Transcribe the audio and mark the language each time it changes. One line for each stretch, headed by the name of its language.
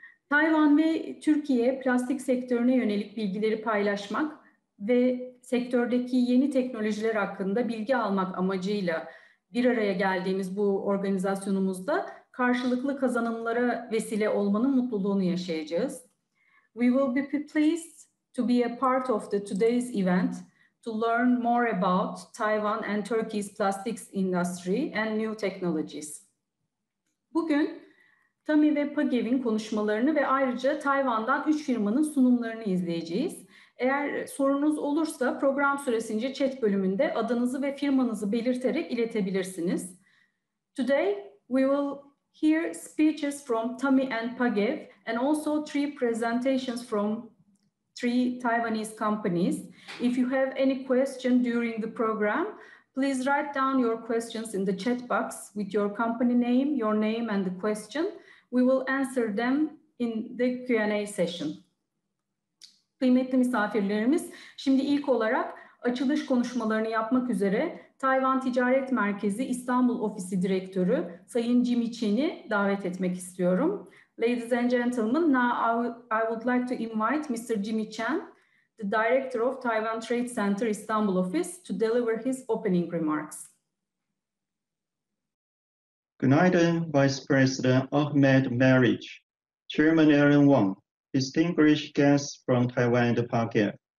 Turkish: Tayvan ve Türkiye plastik sektörüne yönelik bilgileri paylaşmak ve sektördeki yeni teknolojiler hakkında bilgi almak amacıyla bir araya geldiğimiz bu organizasyonumuzda karşılıklı kazanımlara vesile olmanın mutluluğunu yaşayacağız.
English: We will be pleased to be a part of the today's event to learn more about Taiwan and Turkey's plastics industry and new technologies.
Turkish: Bugün TAMI ve PAGEV'in konuşmalarını ve ayrıca Tayvan'dan 3 firmanın sunumlarını izleyeceğiz. Eğer sorunuz olursa program süresince chat bölümünde adınızı ve firmanızı belirterek iletebilirsiniz.
English: Today we will hear speeches from TAMI and PAGEV and also 3 presentations from 3 Taiwanese companies. If you have any question during the program, please write down your questions in the chat box with your company name, your name and the question. We will answer them in the Q&A session.
Turkish: Kıymetli misafirlerimiz, şimdi ilk olarak açılış konuşmalarını yapmak üzere Tayvan Ticaret Merkezi İstanbul Ofisi Direktörü Sayın Jimmy Chin'i davet etmek istiyorum.
English: Ladies and gentlemen, now I would like to invite Mr. Jimmy Chin, the Director of Taiwan Trade Center İstanbul Office, to deliver his opening remarks.
Turkish: Günaydın,
English: Vice President Ahmed Marich, Chairman Aaron Wong, distinguished guests from Taiwan and PAGEV.